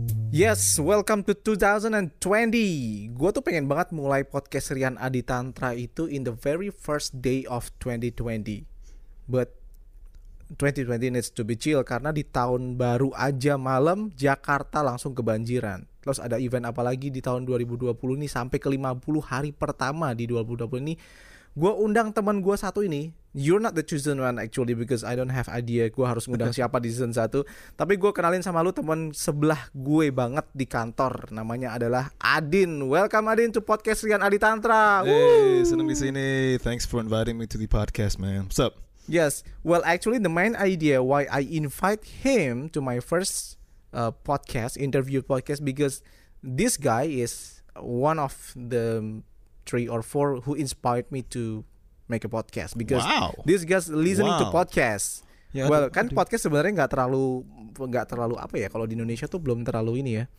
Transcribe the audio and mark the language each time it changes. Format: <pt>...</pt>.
<en>Yes, welcome to 2020.</en> <id>Gua tuh pengen banget mulai podcast Rian Aditantra itu</id> <en>in the very first day of 2020. But 2020 needs to be chill</en> <id>karena di tahun baru aja malam Jakarta langsung kebanjiran. Terus ada event apa lagi di tahun 2020 ini sampai ke 50 hari pertama di 2020 ini. Gua undang teman gua satu ini.</id> <en>You're not the chosen one actually because I don't have idea</en> <id>gue harus ngundang siapa</id> <en>di season 1.</en> <id>Tapi gue kenalin sama lu teman sebelah gue banget di kantor. Namanya adalah Adin. Welcome Adin to podcast Rian Aditantra. Hey, seneng di sini.</id> <en>Thanks for inviting me to the podcast, man. What's up? Yes, well actually the main idea why I invite him to my first podcast, interview podcast, because this guy is one of the 3 or 4 who inspired me to make a podcast because wow. This guy's listening wow. to podcast.</en> <id>Yeah, well, kan podcast sebenarnya enggak terlalu apa ya, kalau di Indonesia tuh belum terlalu ini ya.</id>